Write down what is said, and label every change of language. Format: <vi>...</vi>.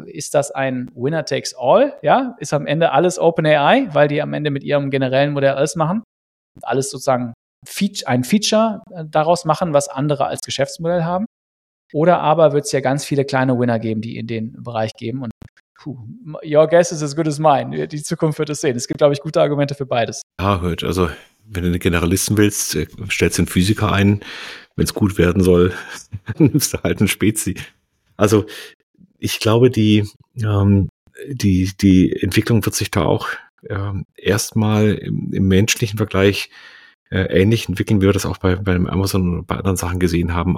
<de>Ist das ein</de> <en>Winner takes all?</en> <de>Ja, ist am Ende alles OpenAI, weil die am Ende mit ihrem generellen Modell alles machen? Alles sozusagen ein Feature daraus machen, was andere als Geschäftsmodell haben? Oder aber wird es ja ganz viele kleine Winner geben, die in den Bereich geben?</de> <en>Und your guess is as good as mine.</en> <de>Die Zukunft wird es sehen. Es gibt, glaube ich, gute Argumente für beides. Ja, hört. Also, wenn du einen Generalisten willst, stellst du einen Physiker ein. Wenn es gut werden soll, nimmst du halt einen Spezi. Also, ich glaube, die Entwicklung wird sich da auch erstmal im menschlichen Vergleich ähnlich entwickeln, wie wir das auch bei Amazon und bei anderen Sachen gesehen haben.</de>